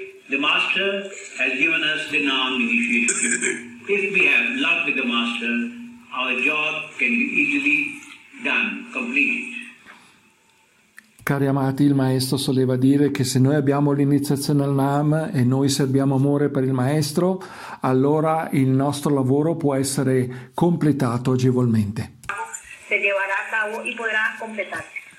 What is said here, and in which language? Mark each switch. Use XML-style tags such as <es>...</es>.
<en>The master has given us the non-initiation. If we have loved the master, our job can be easily done, completed.</en> <it>Cari amati, il maestro soleva dire che se noi abbiamo l'iniziazione al Nam e noi serviamo amore per il maestro, allora il nostro lavoro può essere completato agevolmente.</it> <es>Se llevará a cabo y podrá completarse.</es>